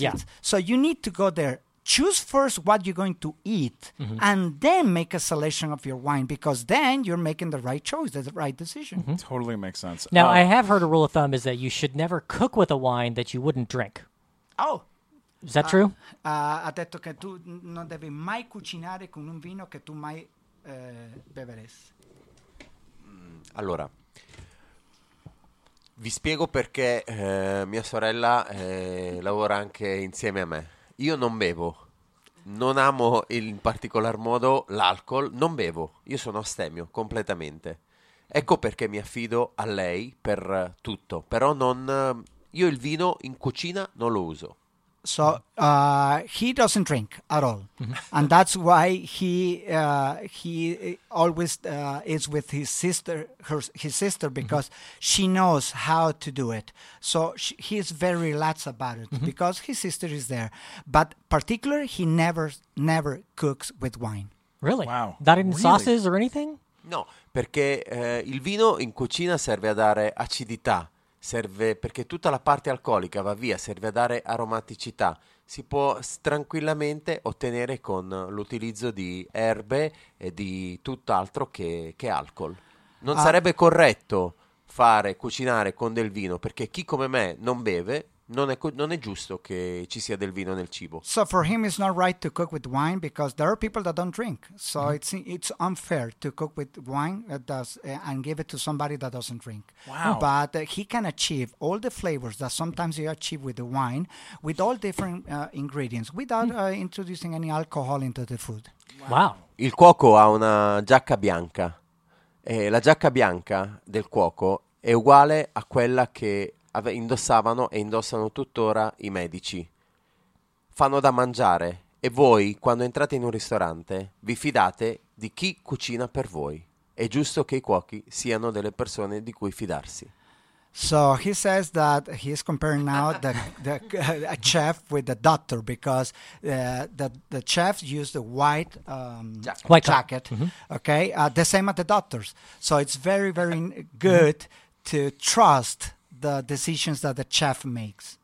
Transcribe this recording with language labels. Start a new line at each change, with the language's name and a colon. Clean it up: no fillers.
English: Yeah. So you need to go there choose first what you're going to eat, mm-hmm. and then make a selection of your wine, because then you're making the right choice, the right decision. Mm-hmm. Totally makes sense. Now, I have heard a rule of thumb is that you should never cook with a wine that you wouldn't drink. Oh. Is that true?
Italian: Ha detto che tu non devi mai cucinare con un vino che tu mai beveresti. Allora, vi spiego perché mia sorella lavora anche insieme a me. Io non bevo, non amo in particolar modo l'alcol, non bevo, io sono astemio completamente. Ecco perché mi affido a lei per tutto, però non io il vino in cucina non lo uso.
English: So he doesn't drink at all, mm-hmm. and that's why he always is with his sister because mm-hmm. she knows how to do it. So he is very relaxed about it, mm-hmm. because his sister is there. But particularly, he never cooks with wine. Really? Wow! Not in really? Sauces or anything?
Italian: No, perché il vino in cucina serve a dare acidità. Serve perché tutta la parte alcolica va via, serve a dare aromaticità. Si può tranquillamente ottenere con l'utilizzo di erbe e di tutt'altro che alcol. Non sarebbe corretto fare cucinare con del vino, perché chi come me non beve, non è giusto che ci sia del vino nel cibo.
English: So for him it's not right to cook with wine because there are people that don't drink. So mm-hmm. it's unfair to cook with wine that does and give it to somebody that doesn't drink. Wow. But he can achieve all the flavors that sometimes you achieve with the wine with all different ingredients without introducing any alcohol into the food. Wow.
Italian: Il cuoco ha una giacca bianca. La giacca bianca del cuoco è uguale a quella che indossavano e indossano tuttora i medici. Fanno da mangiare e voi, quando entrate in un ristorante, vi fidate di chi cucina per voi. È giusto che i cuochi siano delle persone di cui fidarsi.
English: So he says that he is comparing now the a chef with the doctor because the chef used a white jacket. Mm-hmm. Okay, the same at the doctors. So it's very, very good mm-hmm. to trust the decisions that the chef makes.